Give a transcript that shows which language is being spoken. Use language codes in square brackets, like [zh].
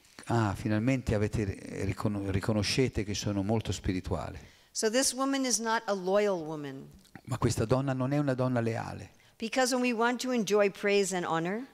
[it] Ah, finalmente avete riconoscete che sono molto spirituale. [en] So this woman is not a loyal woman. [it] Ma questa donna non è una donna leale. [en] Because when we want to enjoy praise and honor,